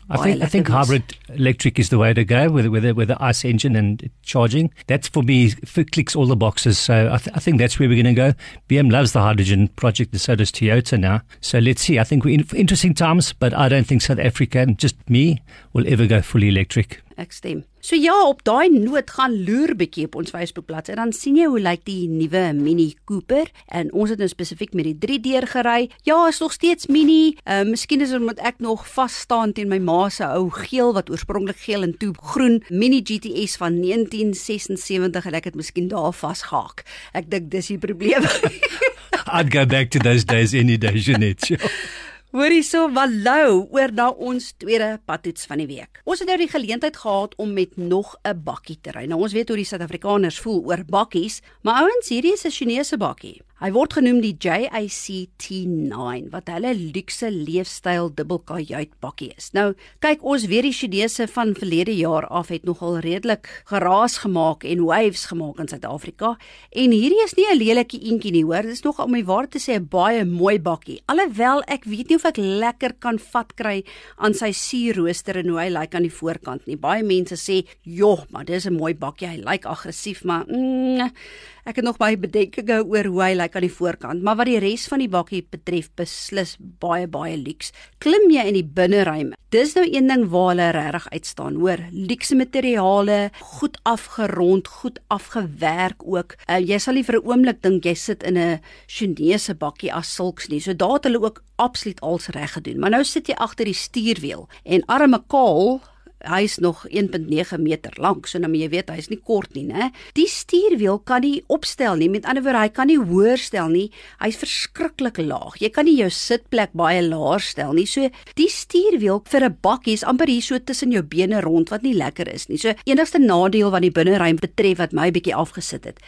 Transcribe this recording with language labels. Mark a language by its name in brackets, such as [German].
[English] I think hybrid electric is the way to go with the ice engine and charging. That's for me, it clicks all the boxes, so I think that's where we're going to go. BM loves the hydrogen project and so does Toyota now, so let's see. I think we're in for interesting times, but I don't think South Africa and just me will ever go fully electric. [Afrikaans] Ek stem. So ja, op daai noot gaan loer bietjie op ons Facebookbladsy en dan sien jy hoe lyk die nuwe Mini Cooper en ons het nou spesifiek met die 3 deur gery. Ja, is nog steeds mini. Miskien is dit omdat ek nog vas staan teen my ma se ou geel wat oorspronklik geel en toe groen Mini GTS van 1976 en ek het miskien daar vasgehaak. Ek dink dis die probleem. [English] I'd go back to those days any day, Jeanette. [Afrikaans] Hoorie so wallou oor na ons tweede padtoets van die week. Ons het nou die geleentheid gehad om met nog 'n bakkie te ry. Nou ons weet hoe die Suid-Afrikaners voel oor bakkies, maar ouens, hierdie is 'n Chinese bakkie. Hy word genoem die JAC T9, wat hulle luxe leefstyl dubbelkajuit bakkie is. Nou, kyk, ons weer die Chinese van verlede jaar af het nogal redelik geraas gemaak en waves gemaak in Suid-Afrika. En hierdie is nie 'n lelike eentjie nie, hoor. Dit is nog om die waar te sê 'n baie mooi bakkie. Alhoewel, ek weet nie of ek lekker kan vat kry aan sy sierrooster en hoe hy lyk aan die voorkant nie. Baie mense sê, joh, maar dit is 'n mooi bakkie, hy lyk agressief, maar ek het nog baie bedenkinge oor hoe hy lyk aan die voorkant, maar wat die res van die bakkie betref, beslis baie, baie luxe. Klim jy in die binnenruime? Dis nou een ding waar hulle regtig uitstaan, hoor. Luxe materiale, goed afgerond, goed afgewerk ook. Jy sal nie vir 'n oomblik dink jy sit in 'n Chinese bakkie as sulks nie, so daar het hulle ook absoluut alles reg gedoen. Maar nou sit jy agter die stuurwiel en arme Kaal, hy is nog 1.9 meter lank, so nou jy weet, hy is nie kort nie, ne? Die stuurwiel kan nie opstel nie, met ander woord, hy kan nie hoër stel nie, hy is verskrikkelijk laag, jy kan nie jou sitplek baie laag stel nie, so die stuurwiel vir 'n bakkie is amper hier so tussen jou bene rond, wat nie lekker is nie, so enigste nadeel wat die binnenruim betref, wat my bietjie afgesit het.